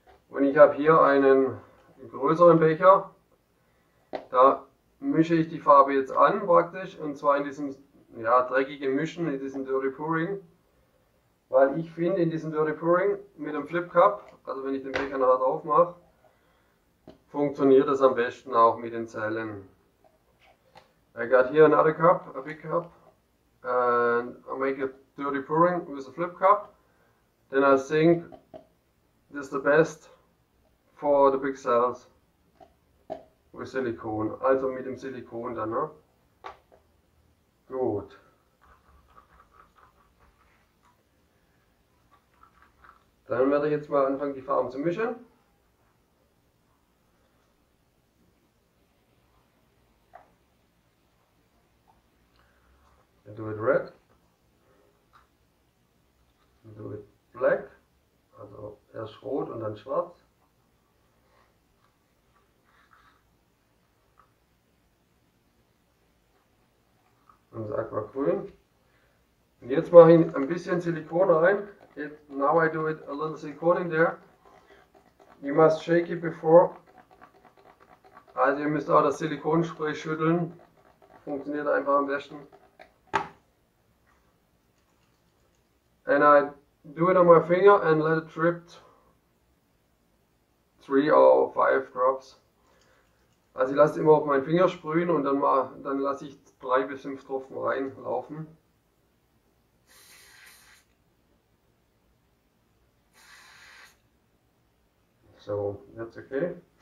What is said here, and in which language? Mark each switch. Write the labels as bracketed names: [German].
[German] Und ich habe hier einen größeren Becher. Da mische ich die Farbe jetzt an, praktisch. Und zwar in diesem, ja, dreckige Mischen in diesem Dirty Pouring, weil ich finde, in diesem Dirty Pouring mit einem Flip Cup, also wenn ich den Becher nachher drauf mache, funktioniert das am besten auch mit den Zellen. [English] I got here another cup, a big cup, and I make a dirty pouring with a flip cup, then I think this is the best for the big cells with Silikon, [German] also mit dem Silikon dann, ne? Gut. Dann werde ich jetzt mal anfangen, die Farben zu mischen. [English] Do it red. Do it black. [German] Also erst rot und dann schwarz. Und das Aquagrün. Und jetzt mache ich ein bisschen Silikon rein. [English] Now I do it a little silicone in there. You must shake it before. [German] Also ihr müsst auch das Silikonspray schütteln. Funktioniert einfach am besten. [English] And I do it on my finger and let it drip 3 or 5 drops. [German] Also ich lasse immer auf meinen Finger sprühen und dann lasse ich 3 bis 5 Tropfen reinlaufen. [English] So, that's okay.